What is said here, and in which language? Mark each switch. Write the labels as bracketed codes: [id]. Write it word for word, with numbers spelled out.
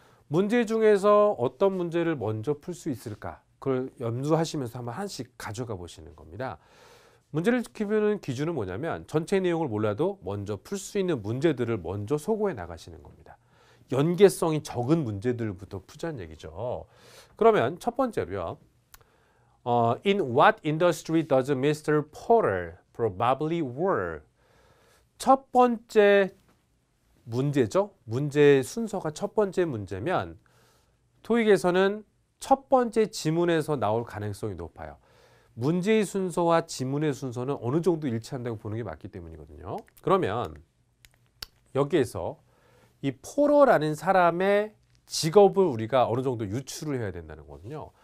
[ko] 문제 중에서 어떤 문제를 먼저 풀 수 있을까? 그걸 염두하시면서 한번 하나씩 가져가 보시는 겁니다. 문제를 지키는 기준은 뭐냐면 전체 내용을 몰라도 먼저 풀 수 있는 문제들을 먼저 소고해 나가시는 겁니다. 연계성이 적은 문제들부터 푸자는 얘기죠. 그러면 첫 번째로요. [en] 어, in what industry does 미스터 Porter probably work? [ko] 첫 번째 문제죠. 문제의 순서가 첫 번째 문제면 토익에서는 첫 번째 지문에서 나올 가능성이 높아요. 문제의 순서와 지문의 순서는 어느 정도 일치한다고 보는 게 맞기 때문이거든요. 그러면 여기에서 이 포러라는 사람의 직업을 우리가 어느 정도 유추를 해야 된다는 거거든요.